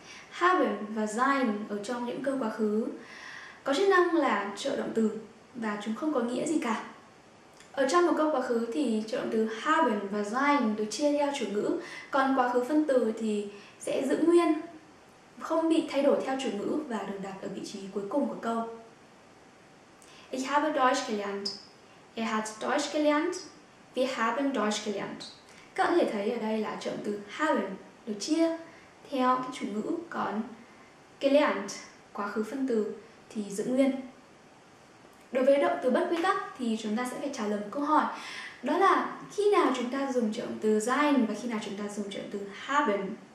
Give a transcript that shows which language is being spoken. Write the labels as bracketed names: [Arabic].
[Vietnamese] Haben và sein ở trong những câu quá khứ có chức năng là trợ động từ và chúng không có nghĩa gì cả. Ở trong một câu quá khứ thì trợ động từ haben và sein được chia theo chủ ngữ, còn quá khứ phân từ thì sẽ giữ nguyên, không bị thay đổi theo chủ ngữ và được đặt ở vị trí cuối cùng của câu. [German] Ich habe Deutsch gelernt. Er hat Deutsch gelernt. Wir haben Deutsch gelernt. [Vietnamese] Các bạn có thể thấy ở đây là trợ động từ haben được chia theo cái chủ ngữ, còn gelernt, quá khứ phân từ, thì giữ nguyên. Đối với động từ bất quy tắc thì chúng ta sẽ phải trả lời một câu hỏi, đó là khi nào chúng ta dùng trợ động từ sein và khi nào chúng ta dùng trợ động từ haben.